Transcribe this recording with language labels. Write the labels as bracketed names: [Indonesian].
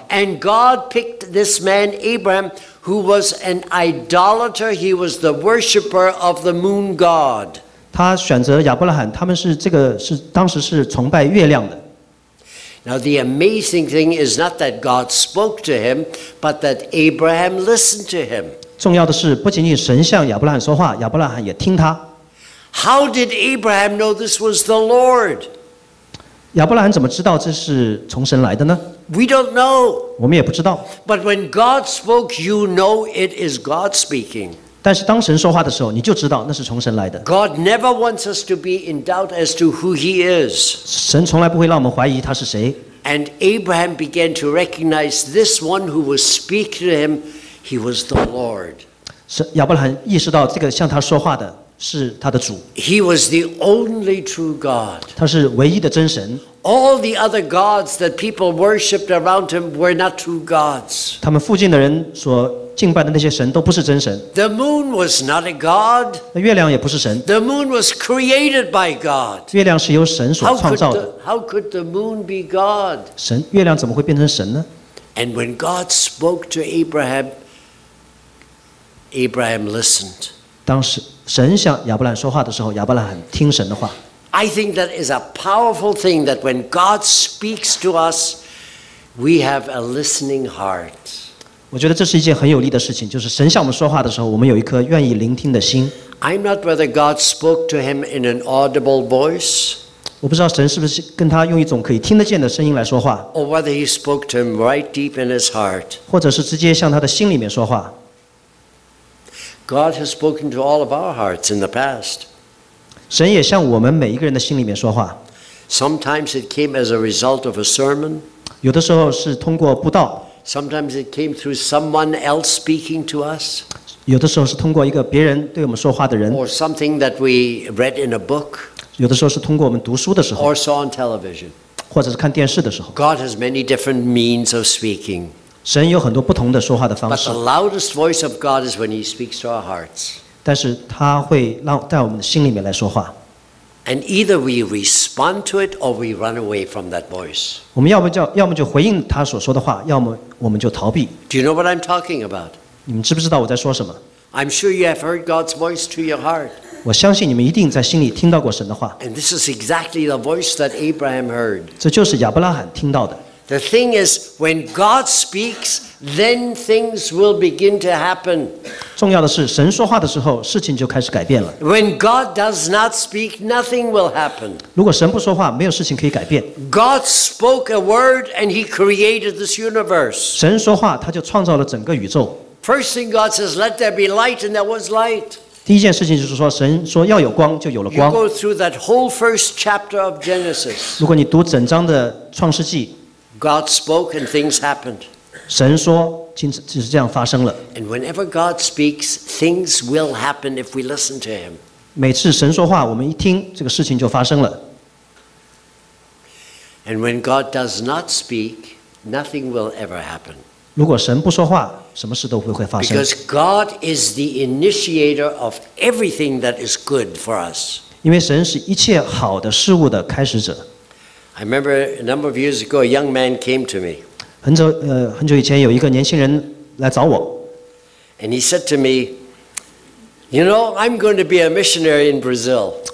[English] And God picked this man Abraham, who was an idolater. He was the worshipper of the moon god. [Chinese] 他选择亚伯拉罕，他们是这个是当时是崇拜月亮的。 [English] Now the amazing thing is not that God spoke to him, but that Abraham listened to him. [Chinese] 重要的是，不仅仅神向亚伯拉罕说话，亚伯拉罕也听他。 [English] How did Abraham know this was the Lord? [Chinese] 亚伯拉罕怎么知道这是从神来的呢？ [English] We don't know. [Chinese] 我们也不知道。 [English] But when God spoke, you know it is God speaking. [Chinese] 但是当神说话的时候，你就知道那是从神来的。 [English] God never wants us to be in doubt as to who he is. [Chinese] 神从来不会让我们怀疑他是谁。 [English] And Abraham began to recognize this one who was speaking to him, he was the Lord. [Chinese] 亚伯拉罕意识到这个向他说话的是他的主。 [English] He was the only true God. [Chinese] 他是唯一的真神。 [English] All the other gods that people worshipped around him were not true gods. [Chinese] 他们附近的人所敬拜的那些神都不是真神。 [English] The moon was not a god. [Chinese] 月亮也不是神。 [English] The moon was created by God. [Chinese] 月亮是由神所创造的。 [English] How could the moon be God? [Chinese] 神，月亮怎么会变成神呢？ [English] And when God spoke to Abraham, Abraham listened. [Chinese] 当时神向亚伯兰说话的时候，亚伯兰很听神的话。 [English] I think that is a powerful thing that when God speaks to us, we have a listening heart. [Chinese] 我觉得这是一件很有力的事情，就是神向我们说话的时候，我们有一颗愿意聆听的心。 [English] I'm not whether God spoke to him in an audible voice. [Chinese] 我不知道神是不是跟他用一种可以听得见的声音来说话。 [English] Or whether he spoke to him right deep in his heart. [Chinese] 或者是直接向他的心里面说话。 [English] God has spoken to all of our hearts in the past. [Chinese] 神也向我们每一个人的心里面说话。 [English] Sometimes it came as a result of a sermon. [Chinese] 有的时候是通过布道。 [English] Sometimes it came through someone else speaking to us. [Chinese] 有的时候是通过一个别人对我们说话的人。 [English] Or something that we read in a book. [Chinese] 有的时候是通过我们读书的时候。 [English] Or saw on television. [Chinese] 或者是看电视的时候。 [English] God has many different means of speaking. [Chinese] 神有很多不同的说话的方式。 [English] But the loudest voice of God is when He speaks to our hearts. [Chinese] 但是他会让在我们的心里面来说话。 [English] And either we respond to it or we run away from that voice. [Chinese] 我们要么就回应他所说的话，要么我们就逃避。 [English] Do you know what I'm talking about? [Chinese] 你们知不知道我在说什么 [English] ？I'm sure you have heard God's voice to your heart. [Chinese] 我相信你们一定在心里听到过神的话。 [English] And this is exactly the voice that Abraham heard. [Chinese] 这就是亚伯拉罕听到的。 [English] The thing is, when God speaks, then things will begin to happen. [Chinese] 重要的是，神说话的时候，事情就开始改变了。 [English] When God does not speak, nothing will happen. [Chinese] 如果神不说话，没有事情可以改变。 [English] God spoke a word, and He created this universe. [Chinese] 神说话，他就创造了整个宇宙。 [English] First thing God says, "Let there be light," and there was light. [Chinese] 第一件事情就是说，神说要有光，就有了光。 [English] You go through that whole first chapter of Genesis. [Chinese] 如果你读整章的创世纪。 [English] God spoke and things happened. [Chinese] 神说，就是这样发生了。 [English] And whenever God speaks, things will happen if we listen to Him. [Chinese] 每次神说话，我们一听，这个事情就发生了。 [English] And when God does not speak, nothing will ever happen. [Chinese] 如果神不说话，什么事都不会发生。 [English] Because God is the initiator of everything that is good for us. [Chinese] 因为神是一切好的事物的开始者。 [English] I remember a number of years ago, a young man came to me. [Chinese] 很久以前有一个年轻人来找我。 [English] And he said to me, "You know, I'm going to be a missionary in Brazil."